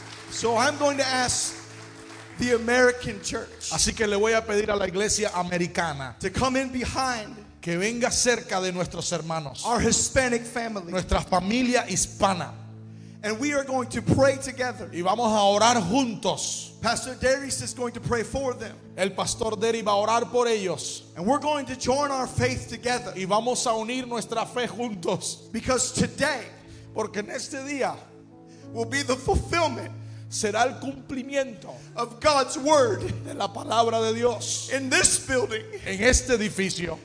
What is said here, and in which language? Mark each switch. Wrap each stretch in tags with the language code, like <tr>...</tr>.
<en>So I'm going to ask the American church.</en> <es>Así que le voy a pedir a la iglesia americana</es> <en>to come in behind</en> <es>que venga cerca de nuestros hermanos,</es> <en>our Hispanic family,</en> <es>nuestra familia hispana,</es> <en>and we are going to pray together.</en> <es>Y vamos a orar juntos.</es> <en>Pastor Darius is going to pray for them.</en> <es>El pastor Darius va a orar por ellos.</es> <en>And we're going to join our faith together.</en> <es>Y vamos a unir nuestra fe juntos.</es> <en>Because today,</en> <es>porque en este día,</es> <en>will be the fulfillment.</en> <es>Será el cumplimiento</es> <en>of God's word,</en> <es>de la palabra de Dios,</es> <en>in this building,</en> <es>en este edificio,</es>